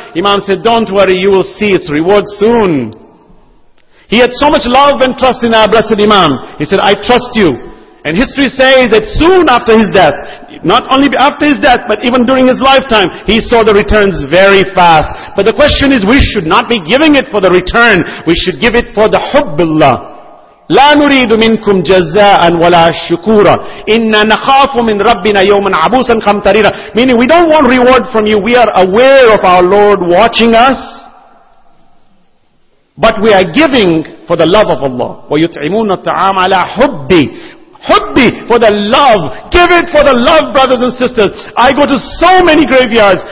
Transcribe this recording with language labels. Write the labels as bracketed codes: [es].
[en] Imam said, don't worry, you will see its reward soon. He had so much love and trust in our blessed Imam. He said, I trust you. And history says that soon after his death, not only after his death, but even during his lifetime, he saw the returns very fast. But the question is, we should not be giving it for the return. We should give it for the hubbillah. [ar] لا نريد منكم جزاء ولا شكورا إن نخاف من ربنا يوما عبوسا قمطريرا. [en] Meaning, we don't want reward from you. We are aware of our Lord watching us, but we are giving for the love of Allah. [ar] وَيُطْعِمُونَ الطَّعَامَ عَلَى حُبِّي. [en] For the love. Give it for the love, brothers and sisters. I go to so many graveyards.